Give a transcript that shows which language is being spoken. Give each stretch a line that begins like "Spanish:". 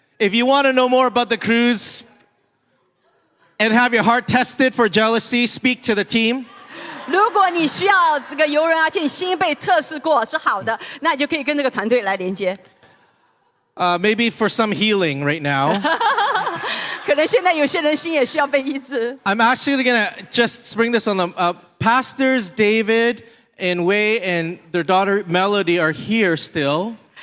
English: If you want to know more about the cruise and have your heart tested for jealousy, speak to the team.
Chinese: 如果你需要这个游人，而且你心被测试过是好的，那你就可以跟这个团队来连接。
English: Maybe for some healing right now.
Chinese: 可能现在有些人心也需要被医治。
English: I'm actually going to just spring this on them. Pastors David and Wei and their daughter Melody are here still.